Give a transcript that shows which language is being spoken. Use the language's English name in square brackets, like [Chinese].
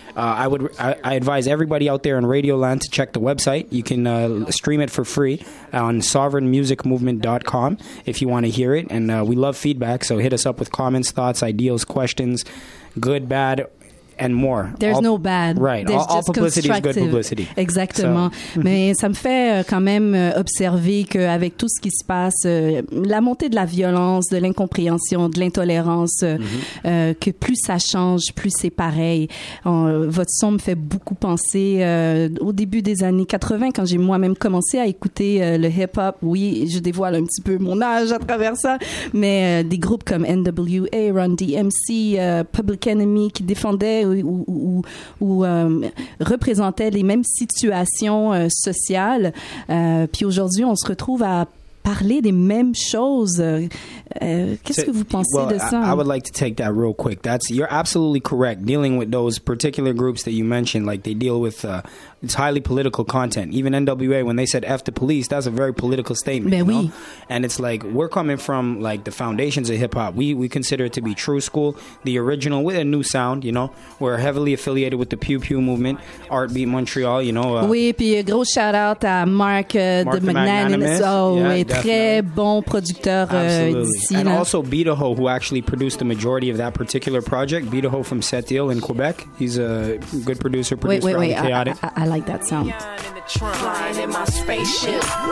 [English] I advise everybody out there in Radio Land to check the website. You can stream it for free on sovereignmusicmovement.com if you want to hear it. And we love feedback, so hit us up with comments, thoughts, ideals, questions, good, bad, and more. There's no bad. Right. All publicity is good publicity. [French] Exactement. So. Mais ça me fait quand même observer qu'avec tout ce qui se passe, la montée de la violence, de l'incompréhension, de l'intolérance, que plus ça change, plus c'est pareil. Votre son me fait beaucoup penser au début des années 80, quand j'ai moi-même commencé à écouter le hip-hop. Oui, je dévoile un petit peu mon âge à travers ça, mais des groupes comme N.W.A., Run-D.M.C., Public Enemy, qui défendaient ou représentaient les mêmes situations sociales. Puis aujourd'hui, on se retrouve à parler des mêmes choses. Qu'est-ce que vous pensez de ça? [English] I would like to take that real quick. You're absolutely correct. Dealing with those particular groups that you mentioned, like they deal with it's highly political content. Even NWA, when they said F the police, that's a very political statement. [French] Ben [English] you [French] oui. [English] know? And it's like, we're coming from like the foundations of hip hop. We consider it to be true school, the original with a new sound, you know. We're heavily affiliated with the Pew Pew movement, Art Beat Montreal, you know. [French] Oui, puis gros shout out à Mark de Magnanimous. Très bon producteur. [English] And also Beataho, who actually produced the majority of that particular project. Beataho from Sept-Îles in Quebec. He's a good producer. Wait, Chaotic. I like that sound. Flying in my spaceship.